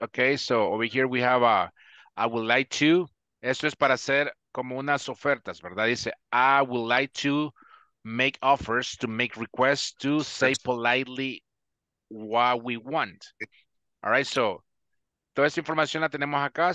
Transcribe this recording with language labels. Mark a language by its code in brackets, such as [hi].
[en] Okay, so over here we have I would like to. [es] Esto es para hacer como unas ofertas, ¿verdad? [en] Dice, I would like to make offers, to make requests, to say politely what we want. All right, so [es] toda esa información la tenemos acá.